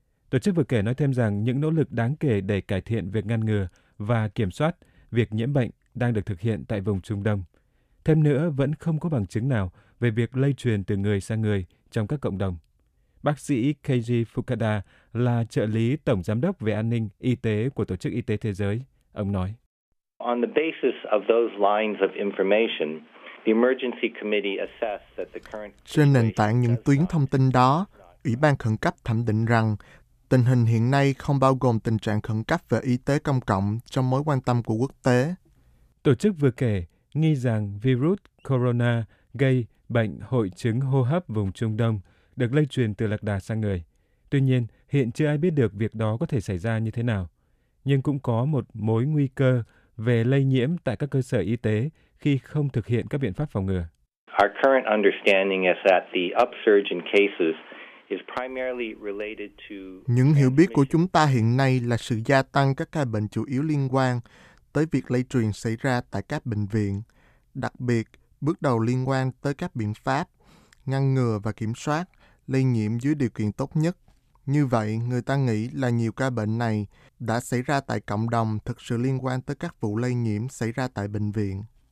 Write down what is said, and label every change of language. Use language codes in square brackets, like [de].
[vi] Tổ chức vừa kể nói thêm rằng những nỗ lực đáng kể để cải thiện việc ngăn ngừa và kiểm soát việc nhiễm bệnh đang được thực hiện tại vùng Trung Đông. Thêm nữa, vẫn không có bằng chứng nào về việc lây truyền từ người sang người trong các cộng đồng. bác sĩ Keiji Fukada là trợ lý tổng giám đốc về an ninh y tế của Tổ chức Y tế Thế giới. Ông nói: [en] On the basis of those lines of information, the emergency committee assessed that the current [vi] trên nền tảng những tuyến thông tin đó, Ủy ban khẩn cấp thẩm định rằng tình hình hiện nay không bao gồm tình trạng khẩn cấp về y tế công cộng trong mối quan tâm của quốc tế. Tổ chức vừa kể nghi rằng virus corona gây bệnh hội chứng hô hấp vùng Trung Đông được lây truyền từ lạc đà sang người. Tuy nhiên, hiện chưa ai biết được việc đó có thể xảy ra như thế nào. Nhưng cũng có một mối nguy cơ về lây nhiễm tại các cơ sở y tế khi không thực hiện các biện pháp phòng ngừa. [en] Our current understanding is that the upsurge in cases is primarily related to [vi] những hiểu biết của chúng ta hiện nay là sự gia tăng các ca bệnh chủ yếu liên quan tới việc lây truyền xảy ra tại các bệnh viện, đặc biệt bước đầu liên quan tới các biện pháp ngăn ngừa và kiểm soát lây nhiễm dưới điều kiện tốt nhất. Như vậy, người ta nghĩ là nhiều ca bệnh này đã xảy ra tại cộng đồng thực sự liên quan tới các vụ lây nhiễm xảy ra tại bệnh viện.